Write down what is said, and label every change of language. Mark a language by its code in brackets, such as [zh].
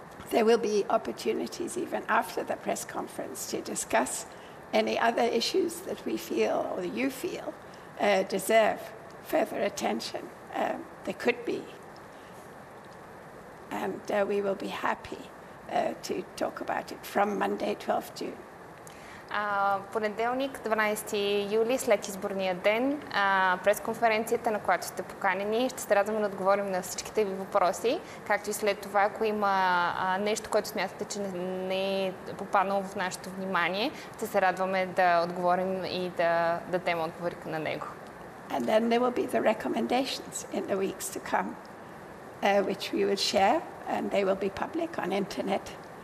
[en] There will be opportunities even after the press conference to discuss any other issues that we feel or that you feel deserve further attention. There could be. And we will be happy to talk about it from Monday, 12 June. [bg] Понеделник, 12 юли, след изборния ден, пресконференцията, на която сте поканени, ще се радваме да отговорим на всичките ви въпроси, както и след това, ако има нещо, което смятате, че не е попаднало в нашето внимание, ще се радваме да отговорим и да дадем отговори на него. [en] And then there will be the recommendations in the weeks to come, which we will share, and they will be public on internet.